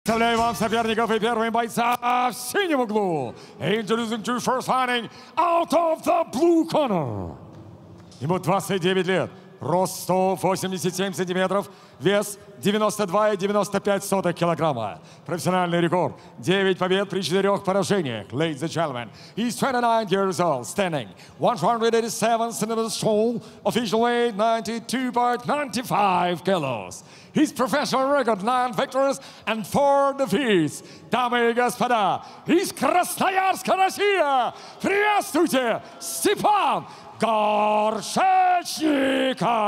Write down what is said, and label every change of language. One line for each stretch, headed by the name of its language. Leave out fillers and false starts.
Russian: Представляю вам соперников и первым бойца в синем углу.
English: Introducing to first fighting out of the blue corner.
Russian: Ему 29 лет, рост 187 сантиметров, вес 92,95 килограмма. Профессиональный рекорд. 9 побед при 4 поражениях.
English: Ladies and gentlemen, he's 29 years old, standing 187 centimeters tall, official weight 92.95 kilos. His professional record 9 victories and 4 defeats.
Russian: Дамы и господа, из Красноярска, Россия, приветствуйте Степан Горшечника!